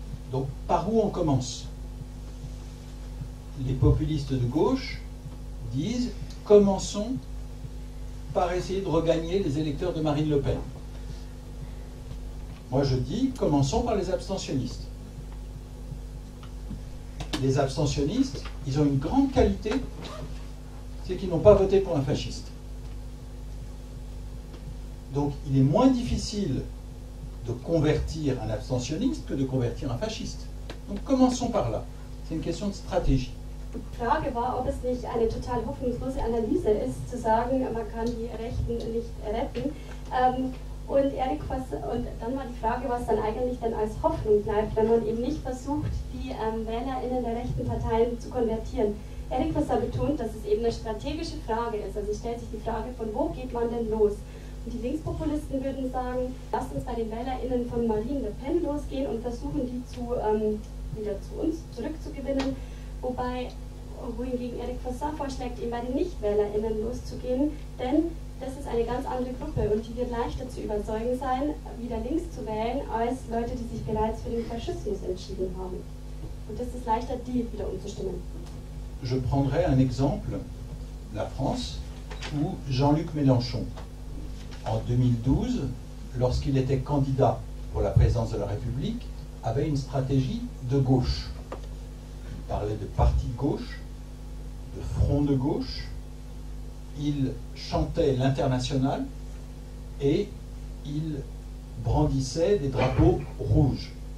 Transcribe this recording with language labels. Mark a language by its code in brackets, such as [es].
[fr] Donc, par où on commence? Les populistes de gauche disent « Commençons par essayer de regagner les électeurs de Marine Le Pen. » Moi, je dis « Commençons par les abstentionnistes. » Les abstentionnistes, ils ont une grande qualité, c'est qu'ils n'ont pas voté pour un fasciste. Donc, il est moins difficile de convertir un abstentionniste que de convertir un fasciste. Donc commençons par là. C'est une question de stratégie. [de] Die Frage war, ob es nicht eine total hoffnungslose Analyse ist, zu sagen, man kann die Rechten nicht retten. Und Eric, was, und dann war die Frage, was dann eigentlich dann als Hoffnung bleibt, wenn man eben nicht versucht, die WählerInnen der rechten Parteien zu konvertieren. Eric was betont, dass es eben eine strategische Frage ist. Also stellt sich die Frage, von wo geht man denn los? Die Linkspopulisten würden sagen, lasst uns bei den WählerInnen von Marine Le Pen losgehen und versuchen, die zu, wieder zu uns zurückzugewinnen. Wobei, wohingegen Eric Fassin vorschlägt, eben bei den Nicht-WählerInnen loszugehen, denn das ist eine ganz andere Gruppe und die wird leichter zu überzeugen sein, wieder links zu wählen, als Leute, die sich bereits für den Faschismus entschieden haben. Und das ist leichter, die wieder umzustimmen. [fr] Je prendrai un exemple, la France, où Jean-Luc Mélenchon, en 2012, lorsqu'il était candidat pour la présidence de la République, avait une stratégie de gauche. Il parlait de parti de gauche, de front de gauche, il chantait l'international et il brandissait des drapeaux rouges.